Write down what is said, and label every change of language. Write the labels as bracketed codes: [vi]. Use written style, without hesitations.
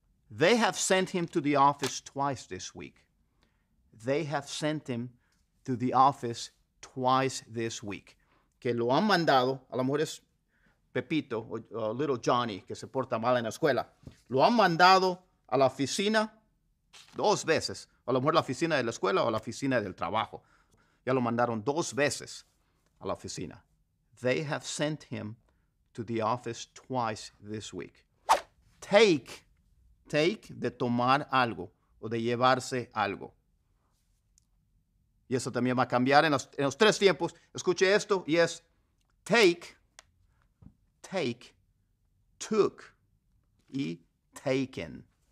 [en] They have sent him to the office twice this week. They have sent him to the office twice this week. [es] Que lo han mandado, a lo mejor es Pepito o Little Johnny que se porta mal en la escuela. Lo han mandado a la oficina dos veces. A lo mejor la oficina de la escuela o la oficina del trabajo. Ya lo mandaron dos veces a la oficina. [en] They have sent him to the office twice this week. [es] Take, de tomar algo o de llevarse algo. Y eso también va a cambiar en los tres tiempos. Escuche esto y es take, took y taken.